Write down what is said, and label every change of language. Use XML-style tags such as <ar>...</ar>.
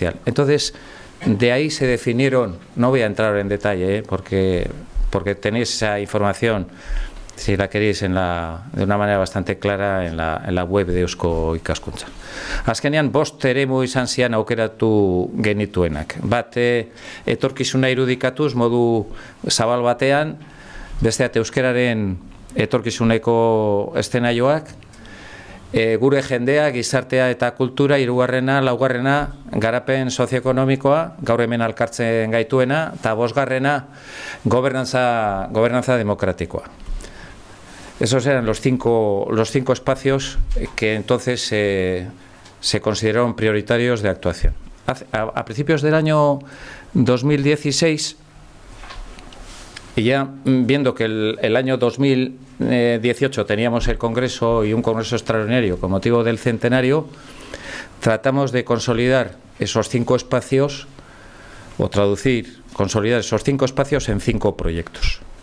<es>Entonces, de ahí se definieron, no voy a entrar en detalle, porque tenéis esa información, si la queréis, de una manera bastante clara en la web de Eusko Ikaskuntza.</es> <eu>Azkenean, bost eremu izan zian aukeratu genituenak. Bat, etorkizuna irudikatuz modu zabal batean, besteak euskararen etorkizuneko eszenaioak, gure jendea, gizartea eta kultura, hirugarrena, laugarrena, garapen sozioekonomikoa, gaur hemen alkartzen gaituena, eta bosgarrena, gobernantza demokratikoa.</eu> <es>Esos eran los cinco espacios que entonces se consideraron prioritarios de actuación. A principios del año 2016, y ya viendo que el año 2018 teníamos el Congreso y un Congreso extraordinario con motivo del centenario, tratamos de consolidar esos cinco espacios, o traducir, consolidar esos cinco espacios en cinco proyectos.</es>